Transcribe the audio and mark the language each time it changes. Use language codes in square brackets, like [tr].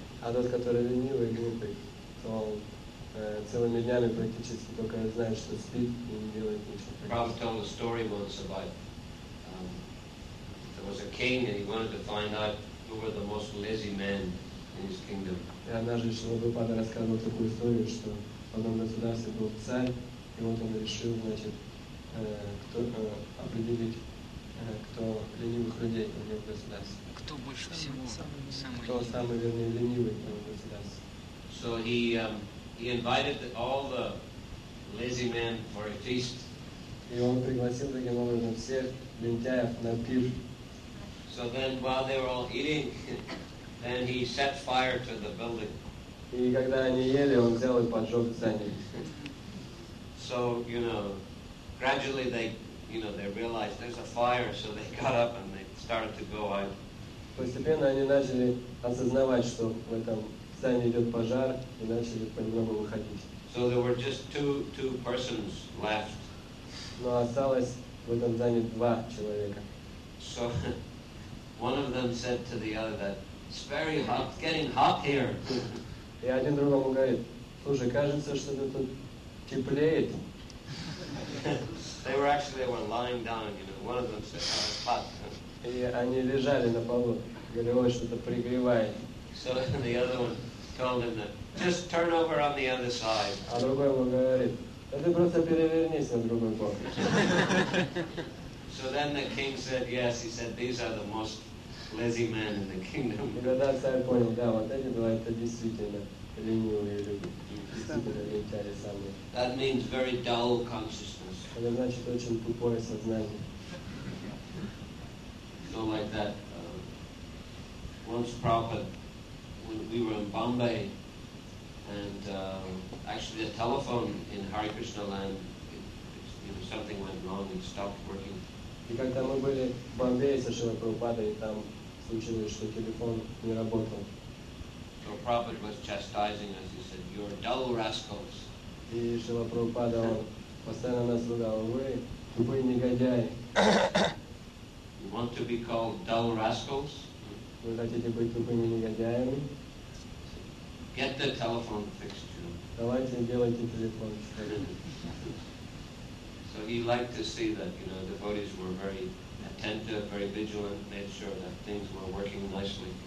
[ru] А тот, который ленивый и глупый, то он целыми днями практически только знает, что спит и не делает ничего. [en] Prabhupada told a story once about there was a king and he wanted to find out who were the most lazy men in his kingdom. [ru] И однажды Шрила Прабхупада рассказывал такую историю, что в одном государстве был царь, и вот он решил, значит, кто определить ленивых людей в нем государстве. Кто больше всего самый кто самый вернее ленивый в нем государстве. [en] So he invited all the lazy men for a feast. [ru] И он пригласил таким образом всех лентяев на пир. [en] So then while they were all eating, then he set fire to the building. [ru] И когда они ели, он взял и поджег здание. [en] So, you know, gradually they, you know, they realized there's a fire, so they got up and they started to go out. [ru] Постепенно они начали осознавать, что в этом здании идет пожар, и начали понемногу выходить. [en] So there were just two persons left. [ru] Но осталось в этом здании два человека. [en] So one of them said to the other that it's very hot, it's getting hot here. [ru] И один другому говорит, слушай, кажется, что тут теплеет. [en] They were actually, they were lying down, you know, one of them said, oh, it's hot. [ru] И они лежали на полу, говорили, ой, что-то пригревает. [en] So the other one told him that, just turn over on the other side. [ru] А другой ему говорит, да ты просто перевернись на другой бок. [en] So then the king said, yes, he said, these are the most lazy man in the kingdom. [ru] И тогда царь понял, да, вот эти два, это действительно ленивые люди. Действительно лентяи самые. [en] That means very dull consciousness. [ru] Это значит очень тупое сознание. [en] So like that. Once Prabhupada, when we were in Bombay, and actually the telephone in Hare Krishna land, you know, something went wrong and stopped working. [ru] И когда мы были в Бомбее со Шрилой Прабхупадой, там случилось, что телефон не работал. [en] So Prabhupada was chastising us. He said, "You're dull rascals." [ru] И Шрила Прабхупада постоянно нас ругал. Вы тупые негодяи. [en] You want to be called dull rascals? [ru] Вы хотите быть тупыми негодяями? [en] Get the telephone fixed, you know. [ru] Давайте делайте телефон. [en] So he liked to see that, you know, devotees were very attentive, very vigilant, made sure that things were working nicely.